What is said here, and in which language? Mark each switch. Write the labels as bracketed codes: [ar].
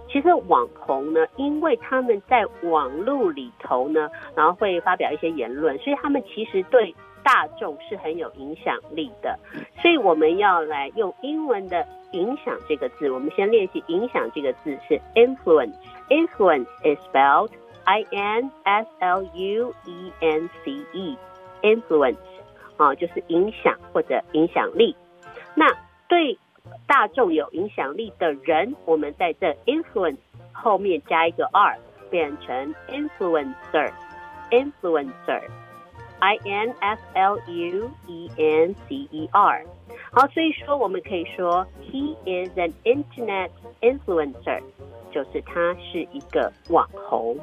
[zh] 其实网红呢，因为他们在网络里头呢，然后会发表一些言论，所以他们其实对大众是很有影响力的，所以我们要来用英文的影响这个字。我们先练习影响这个字，是 influence。 [en] Influence is spelled I-N-S-L-U-E-N-C-E influence、 [zh] 就是影响或者影响力。那对大众有影响力的人，我们在这 influence 后面加一个 R， 变成 influencer。 [en] influencer I-N-F-L-U-E-N-C-E-R。 [zh] 好，所以说我们可以说 [en] He is an internet influencer， [zh] 就是他是一个网红、